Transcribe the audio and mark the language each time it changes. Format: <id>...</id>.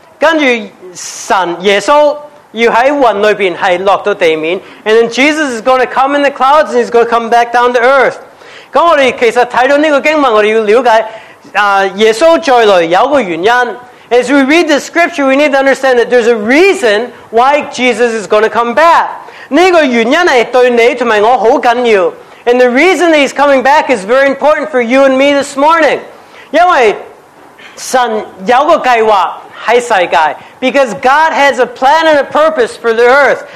<yue>跟住神耶稣要喺云里边系落到地面</yue> <en>，and then Jesus is going to come in the clouds and he's going to come back down to earth。</en> <yue>咁我哋其实睇到呢个经文，我哋要了解耶稣再来有个原因。</yue> <en>As we read the scripture, we need to understand that there's a reason why Jesus is going to come back。</en> <yue>呢个原因系对你同埋我好紧要。</yue> <en>And the reason that he's coming back is very important for you and me this morning.</en> <yue>因为神有个计划喺世界</yue> <en>Because God has a plan and a purpose for the earth.</en>